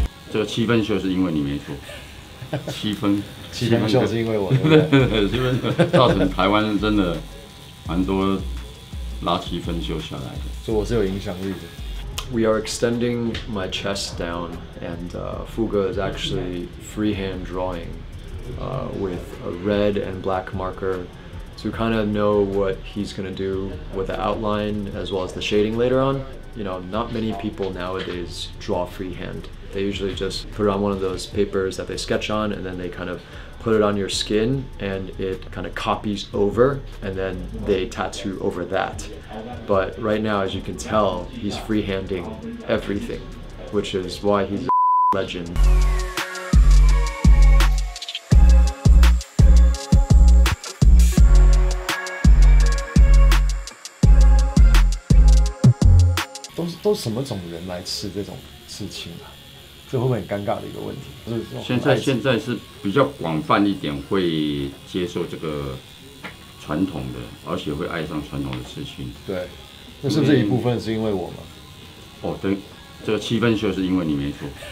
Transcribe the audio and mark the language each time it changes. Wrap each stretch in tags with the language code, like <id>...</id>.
<zh>这个七分袖是因为你没错。七分。七分袖是因为我。七分袖造成台湾真的蛮多拉七分袖下来的。所以我是有影响力的。</zh> <en>We are extending my chest down, and Fuga is actually freehand drawing with a red and black marker to kind of know what he's going to do with the outline as well as the shading later on. You know, not many people nowadays draw freehand. They usually just put it on one of those papers that they sketch on, and then they kind of put it on your skin, and it kind of copies over, and then they tattoo over that. But right now, as you can tell, he's freehanding everything, which is why he's a legend. What kind of people come to eat this kind of tattoo?</en> <zh>这会不会很尴尬的一个问题？现在是比较广泛一点，会接受这个传统的，而且会爱上传统的刺青。对，那是不是一部分是因为我吗？哦，对，这个七分袖是因为你没错，</zh>